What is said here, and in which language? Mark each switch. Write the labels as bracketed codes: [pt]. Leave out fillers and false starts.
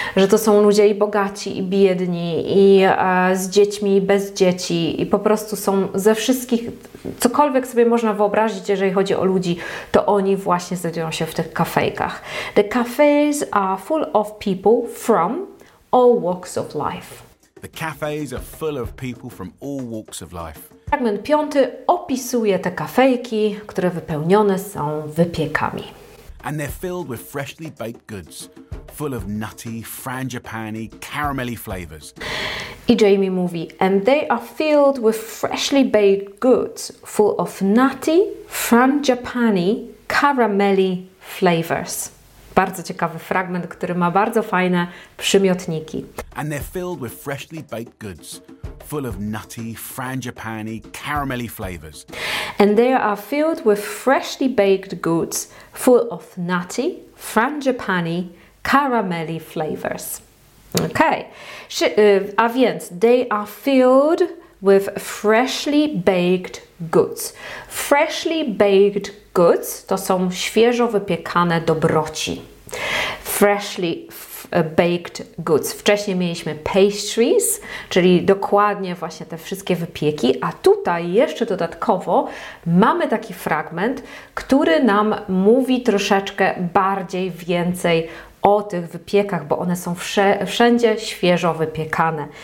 [pl] Że to są ludzie i bogaci, i biedni, i z dziećmi, i bez dzieci, i po prostu są ze wszystkich, cokolwiek sobie można wyobrazić, jeżeli chodzi o ludzi, to oni właśnie znajdują się w tych kafejkach. [en] The cafes are full of people from all walks of life. The cafes are full of people from all walks of life. [pl] Fragment piąty opisuje te kafejki, które wypełnione są wypiekami. [en] And they're filled with freshly baked goods, full of nutty, frangipani, caramelly flavors. [pl] I Jamie mówi, [en] and they are filled with freshly baked goods, full of nutty, frangipani, caramelly flavors. [pl] Bardzo ciekawy fragment, który ma bardzo fajne przymiotniki. [en] And they're filled with freshly baked goods, full of nutty, frangipani, caramelly flavors. And they are filled with freshly baked goods, full of nutty, frangipani, caramelly flavors. Okay. [pl] A więc, [en] they are filled with freshly baked goods. Freshly baked goods [pl] to są świeżo wypiekane dobroci. [en] Freshly baked goods. [pl] Wcześniej mieliśmy pastries, czyli dokładnie właśnie te wszystkie wypieki, a tutaj jeszcze dodatkowo mamy taki fragment, który nam mówi troszeczkę bardziej, więcej o tych wypiekach, bo one są wszędzie świeżo wypiekane.